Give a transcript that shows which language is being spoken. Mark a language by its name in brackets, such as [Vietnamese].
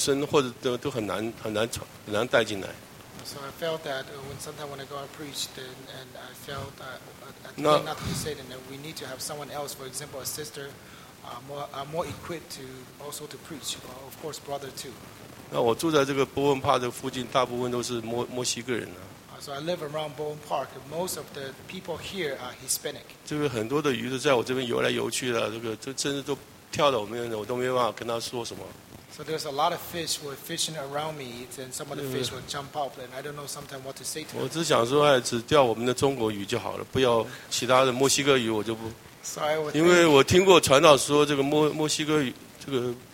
[Chinese] 这个话语特别会，就是说，就是很会交流了。但是就是弟兄的，就是笨口拙舌，所以有时候传福音的时候，就是碰到女生或者都很难带进来。 [English] So I felt that when sometimes when I go out preach, and I felt that I nothing to say, and that we need to have someone else, for example, a sister, more equipped to also to preach, or of course brother too. [Chinese] 那我住在这个波恩帕的附近，大部分都是墨西哥人呢。 [English] So I live around Bowen Park. Most of the people here are Hispanic. [Chinese] 这个很多的鱼都在我这边游来游去了，这个真的都跳到我面前，我都没办法跟他说什么。 [English] So there's a lot of fish were fishing around me, and some of the fish would jump up, and I don't know sometimes what to say to them. [Chinese] 我只想说，只钓我们的中国鱼就好了，不要其他的墨西哥鱼，我就不。 [English] So I would. [Chinese] 因为我听过传道说，这个墨西哥鱼，这个。